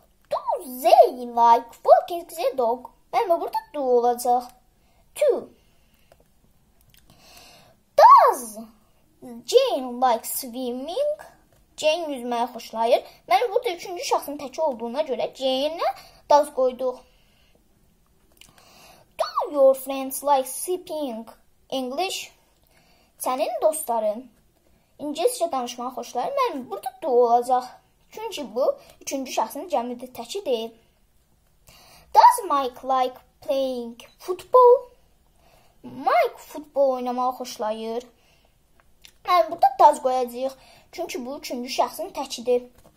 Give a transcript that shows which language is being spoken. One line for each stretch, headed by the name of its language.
English: Do they like walking the dog?
Azerbaijani: Mən burada do olacaq.
English: 2. Does Jane like swimming?
Azerbaijani: Jane yüzməyi xoşlayır. Mən burada üçüncü şəxsin təki olduğuna görə Jane'ə does qoyduq.
English: Do your friends like sleeping? English.
Azerbaijani: Sənin dostların ingiliscə danışmağı xoşlayır. Mən burada do olacaq. Çünki bu, üçüncü şəxsin cəmidir, təki deyil.
English: Does Mike like playing football?
Azerbaijani: Mike futbol oynamağı xoşlayır. Mən burada does qoyacaq. Çünki bu, üçüncü şəxsin təkidir.